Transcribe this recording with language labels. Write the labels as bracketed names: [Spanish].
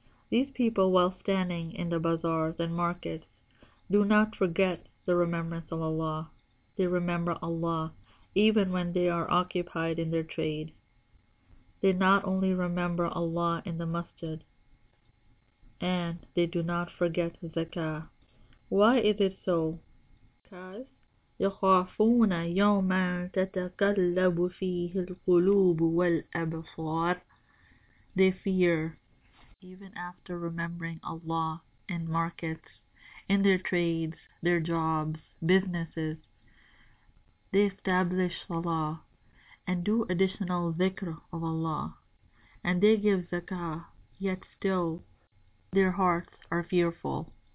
[English] These people, while standing in the bazaars and markets, do not forget the remembrance of Allah. They remember Allah even when they are occupied in their trade. They not only remember Allah in the masjid, and they do not forget zakah. Why is it so? Because [Arabic] يَخَافُونَ يَوْمًا تَتَقَلَّبُ فِيهِ الْقُلُوبُ وَالْأَبْصَارِ. [English] They fear, even after remembering Allah in markets, in their trades, their jobs, businesses, they establish salah and do additional dhikr of Allah, and they give zakah, yet still their hearts are fearful.